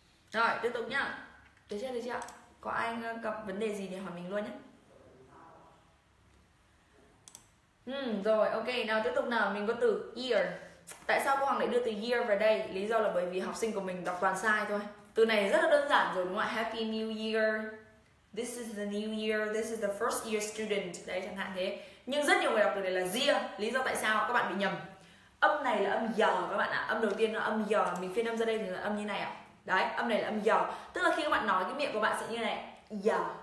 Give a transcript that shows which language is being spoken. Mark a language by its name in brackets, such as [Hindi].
[Vietnamese] Rồi, tiếp tục nhá. Được chưa? Có ai gặp vấn đề gì thì hỏi mình luôn nhé. Rồi, ok, nào tiếp tục nào, mình có từ year. Tại sao cô Hoàng lại đưa từ year vào đây? Lý do là bởi vì học sinh của mình đọc toàn sai thôi. Từ này rất là đơn giản rồi đúng không ạ? [English] Happy New Year. This is the new year, this is the first year student. [Vietnamese] Đấy, chẳng hạn thế. Nhưng rất nhiều người đọc từ này là year. Lý do tại sao các bạn bị nhầm. Âm này là âm giờ các bạn ạ. Âm đầu tiên là âm giờ, mình phiên âm ra đây thì là âm như này ạ. Đấy, âm này là âm giờ. Tức là khi các bạn nói cái miệng của bạn sẽ như này. Giờ.